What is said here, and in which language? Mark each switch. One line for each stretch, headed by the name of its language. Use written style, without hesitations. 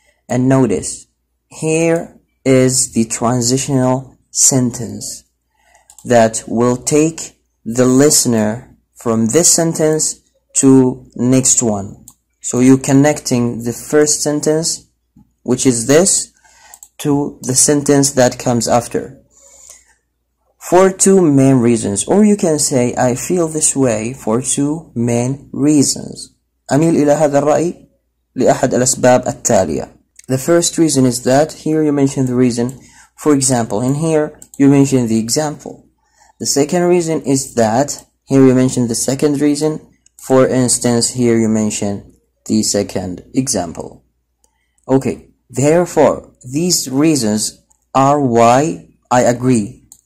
English: And notice, here is the transitional sentence that will take the listener from this sentence to next one. So you're connecting the first sentence, which is this, to the sentence that comes after. For two main reasons, or you can say, I feel this way for two main reasons.
Arabic: أميل إلى هذا الرأي لأحد الأسباب التالية.
English: The first reason is that, here you mention the reason, for example, in here you mention the example. The second reason is that, here you mention the second reason, for instance, here you mention the second example. Okay, therefore, these reasons are why I agree.